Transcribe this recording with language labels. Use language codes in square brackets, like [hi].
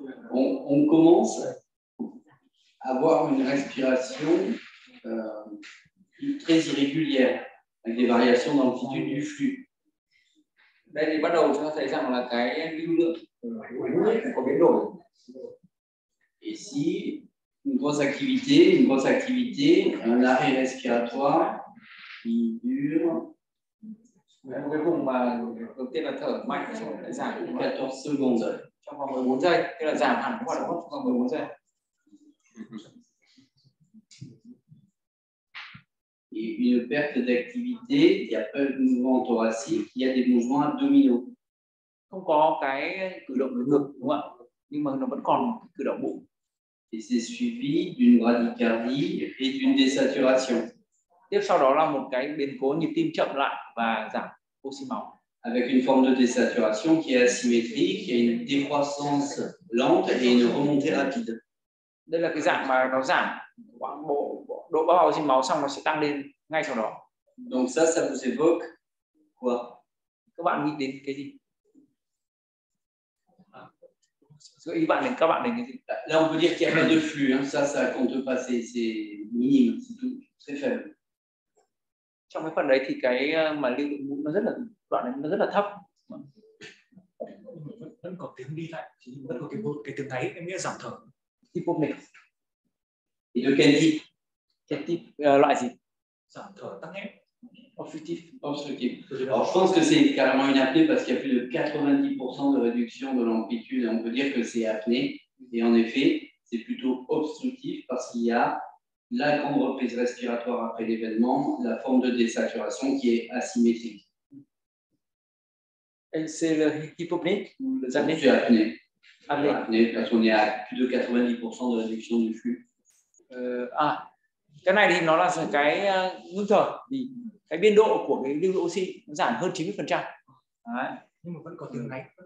[fr] On commence avoir une respiration très irrégulière avec des variations d'amplitude du flux. [vi] Đây thì bắt đầu chúng ta thấy rằng là cái lưu lượng có biến đổi. [fr] Et si une grosse activité, un arrêt respiratoire qui dure. [vi] Cuối cùng mà đầu tiên là thở mạnh rồi giảm [fr] 14 secondes [vi] trong vòng 14 giây, tức là giảm hẳn hoạt động hô hấp trong vòng 14 giây. [fr] Et une perte d'activité, il y a peu de mouvements thoraciques, il y a des mouvements abdominaux. [vi] Không có cái cử động ngực đúng không ạ? Nhưng mà nó vẫn còn cử động bụng. [fr] Et c'est suivi d'une bradycardie et d'une désaturation. [vi] Tiếp sau đó là một cái biến cố nhịp tim chậm lại và giảm oxy máu. [fr] Avec une forme de désaturation qui est asymétrique, il y a une décroissance lente et une remontée rapide. [vi] Đây là cái dạng mà nó giảm khoảng bộ độ bão oxy máu xong nó sẽ tăng lên ngay sau đó. [fr] Donc ça, ça vous évoque quoi? [vi] Các bạn nghĩ đến cái gì? Gợi ý bạn đến các bạn đến cái gì? [fr] Là on peut dire qu'il y a pas de flux, hein. Ça compte pas, c'est minime, c'est tout, très faible. [vi] Trong cái phần đấy thì cái mà lưu lượng mũi nó rất là đoạn này nó rất là thấp. Vẫn có tiếng đi lại, chỉ vẫn có cái tiếng ngáy, em nghĩ giảm thở. [fr] Hypomnée. Et de quel type? Quel type? [vi] Loại gì? Giảm thở tăng nghẽn. [fr] Obstructif. Alors je pense que c'est carrément une apnée parce qu'il y a plus de 90% de réduction de l'amplitude. On peut dire que c'est apnée. Et en effet, c'est plutôt obstructif parce qu'il y a la grande reprise respiratoire après l'événement, la forme de désaturation qui est asymétrique. Et c'est le hypopnée ou le apnée? C'est apnée. Apnée, parce qu'on est à plus de 90% de réduction du flux. [vi] Cái này thì nó là cái ngưng thở vì cái biên độ của cái lưu lượng oxy nó giảm hơn 90%. Nhưng mà vẫn còn tiếng ngáy.